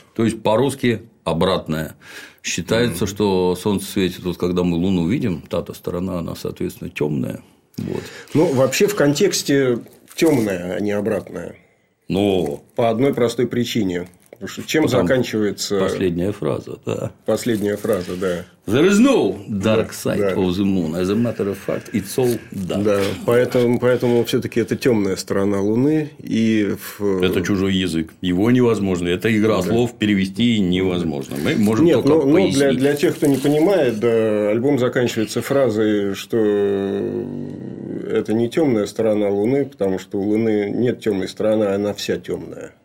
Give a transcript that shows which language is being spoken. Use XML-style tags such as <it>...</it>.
<ru>То есть, по-русски обратная. Считается, что солнце светит, вот когда мы Луну видим, та-то сторона, она, соответственно, темная. Вот. Ну, вообще, в контексте темная, а не обратная. Но... По одной простой причине. Чем там заканчивается... Последняя фраза, да. Последняя фраза, да.</ru> <en>There is no dark side of the moon. As a matter of fact, it's all dark.</en> <ru>Да, поэтому все-таки это темная сторона Луны. И это чужой язык. Его невозможно. Это игра слов, перевести невозможно. Мы можем пояснить. Ну, для тех, кто не понимает, да, альбом заканчивается фразой, что это не темная сторона Луны, потому что у Луны нет темной стороны, она вся темная.</ru>